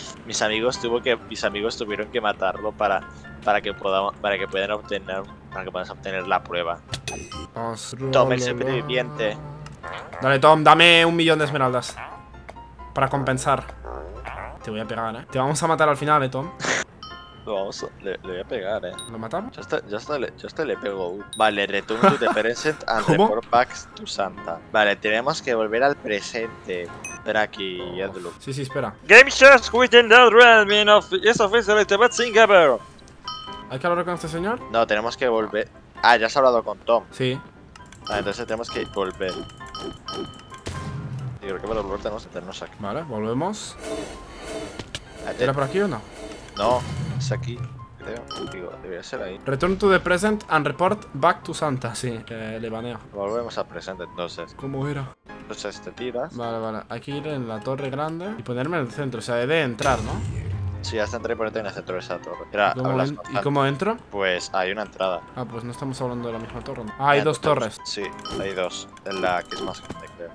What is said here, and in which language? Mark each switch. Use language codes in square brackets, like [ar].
[es] Mis amigos tuvieron que matarlo para que puedan obtener la prueba. Tom, el superviviente. Dale, Tom, dame 1 millón de esmeraldas. Para compensar. Te voy a pegar, ¿eh? Te vamos a matar al final, ¿eh, Tom? Le voy a pegar, ¿eh? ¿Lo matamos? Yo hasta le pego. Vale, [en] return to the present and report back to Santa. [es] Vale, tenemos que volver al presente. Espera aquí, Edlu. Sí, sí, espera. [en] Game shows within the realm of yes, officially the best thing ever. [es] ¿Hay que hablar con este señor? No, tenemos que volver. Ah, ya has hablado con Tom. Sí. Vale, entonces tenemos que volver. Yo creo que para volver tenemos que tenernos aquí. Vale, volvemos. ¿Era por aquí o no? No, es aquí, creo. Digo, debería ser ahí. [en] Return to the present and report back to Santa. [es] Sí, le baneo. Volvemos al present entonces. ¿Cómo era? Entonces te tiras. Vale, vale. Hay que ir en la torre grande y ponerme en el centro. O sea, he de entrar, ¿no? Sí, hasta entrar y ponerte en el centro de esa torre. Era, ¿Y cómo entro? Pues hay una entrada. Ah, pues no estamos hablando de la misma torre, ¿no? Ah, hay dos torres. Sí, hay dos. En la que es más grande, creo.